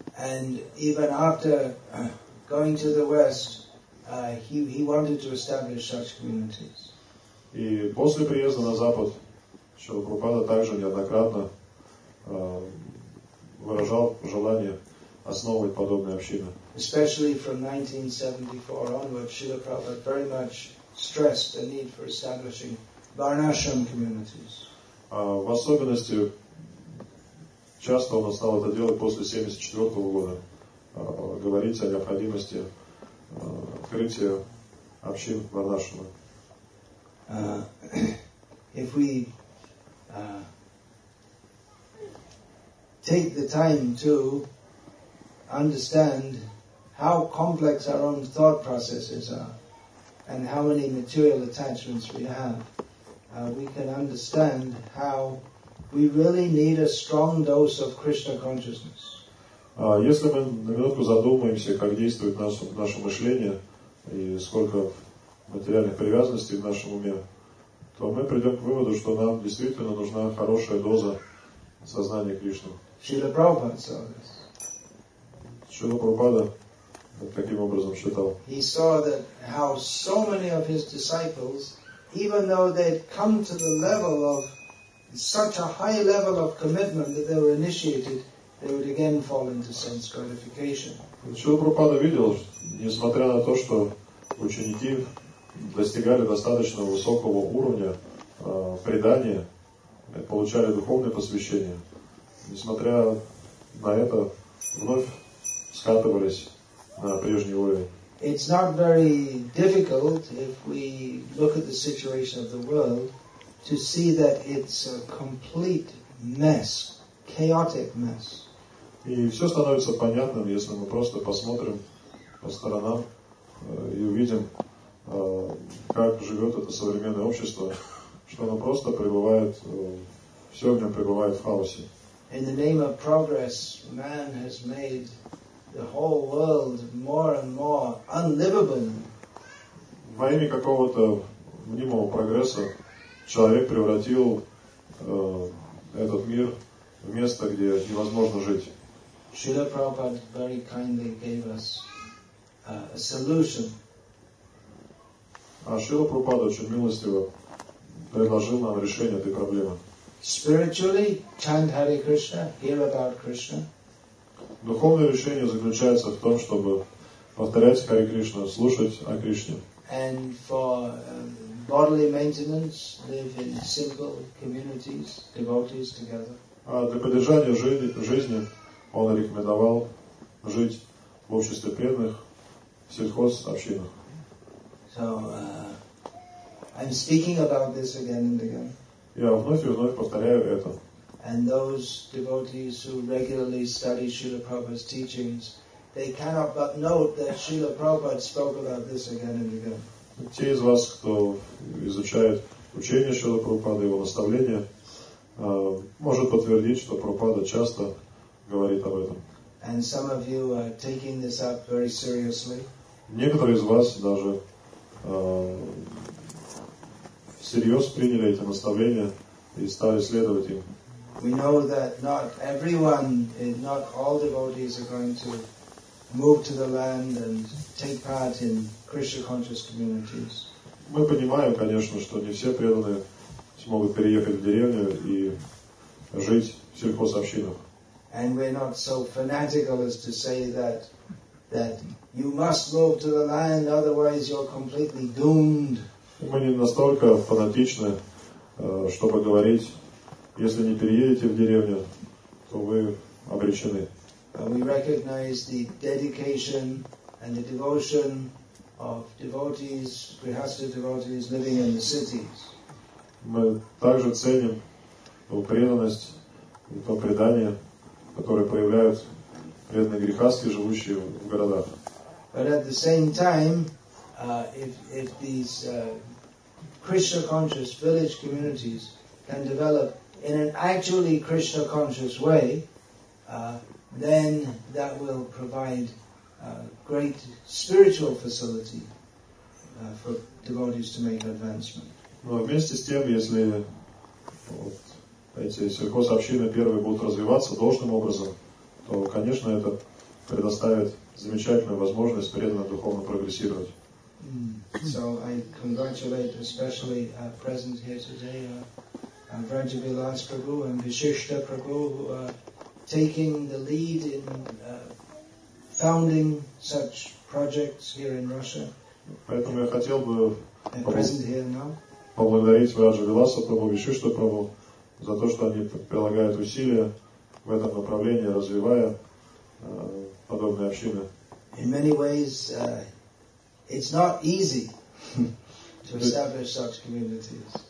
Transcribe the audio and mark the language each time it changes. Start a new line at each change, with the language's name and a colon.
English: And even after going to the West, he wanted to establish such communities.
Russian: И после приезда на Запад Шрила Прабхупада также неоднократно выражал желание основывать подобные общины.
English: Especially from 1974 onwards, Srila Prabhupada very much stressed the need for establishing Varnashram communities.
Russian: В особенности часто он стал это делать после 1974 года, говорить о необходимости открытия общин Варнашрама.
English: If we take the time to understand how complex our own thought processes are and how many material attachments we have, we can understand how we really need a strong dose of Krishna consciousness.
Russian: Если мы на минутку задумаемся, как действует наше мышление и сколько материальных привязанностей в нашем уме, то мы придем к выводу, что нам действительно нужна хорошая доза сознания Кришны.
English: Шрила Прабхупада saw this.
Russian: Шрила Прабхупада таким образом считал.
English: He saw that how so many of his disciples, even though they'd come to the level of such a high level of commitment that they were initiated, they would again fall into sense gratification.
Russian: Шрила Прабхупада видел, несмотря на то, что ученики достигали достаточно высокого уровня предания, получали духовное посвящение, несмотря на это, вновь скатывались на прежний уровень.
English: It's not very difficult, if we look at the situation of the world, to see that it's a complete mess, chaotic mess.
Russian: И все становится понятным, если мы просто посмотрим по сторонам и увидим, как живет это современное общество, что оно просто пребывает, все в нем пребывает в хаосе.
English: In the name of progress, man has made the whole world more and more unlivable.
Russian: Во имя какого-то мнимого прогресса человек превратил этот мир в место, где невозможно жить.
English: Srila Prabhupada very kindly gave us a solution.
Russian: А Шрила Прабхупада очень милостиво предложил нам решение этой проблемы.
English: Spiritually, chant Hare Krishna, hear about Krishna.
Russian: Духовное решение заключается в том, чтобы повторять Hare Krishna, слушать о Кришне.
English: And for bodily maintenance, live in simple communities, devotees together.
Russian: А для поддержания жизни он рекомендовал жить в обществе преданных, в сельхозобщинах.
English: So I'm speaking about this again and again.
Russian: Я вновь и вновь повторяю это.
English: And those devotees who regularly study Srila Prabhupada's teachings, they cannot but note that Srila Prabhupada spoke about this again and again.
Russian: Те из вас, кто изучает учение Шрила Прабхупады, его наставления, может подтвердить, что Прабхупада часто говорит об этом.
English: And some of you are taking this up very seriously.
Russian: Некоторые из вас даже всерьез приняли эти наставления и стали следовать им.
English: We know that not everyone, not all devotees are going to move to the land and take part in Krishna conscious communities.
Russian: Мы понимаем, конечно, что не все преданные смогут переехать в деревню и жить в сельхозобщинах.
English: And we're not so fanatical as to say that you must move to the land, otherwise you're completely doomed.
Russian: Мы не настолько фанатичны, чтобы говорить, если не переедете в деревню, то вы обречены.
English: And we recognize the dedication and the devotion of devotees, grihastha devotees living in the cities.
Russian: Мы также ценим преданность и то предание, которое проявляют преданные грихасты, живущие в городах.
English: But at the same time, if these Krishna conscious village communities can develop in an actually Krishna conscious way, then that will provide great spiritual facility for devotees to make advancement.
Russian: Но вместе с тем, если эти сельхозобщины первые будут развиваться должным образом, то, конечно, это предоставит замечательную возможность преданно духовно прогрессировать.
English: So I congratulate especially present here today Vrajavilas Prabhu and Vishishta Prabhu who are taking the lead in founding such projects here in Russia.
Russian: Поэтому я хотел бы
English: present here now.
Russian: Поблагодарить Vrajavilasa Prabhu, Vishishta Prabhu за то, что они прилагают усилия в этом направлении, развивая подобные общины.
English: In many ways, it's not easy to establish such communities.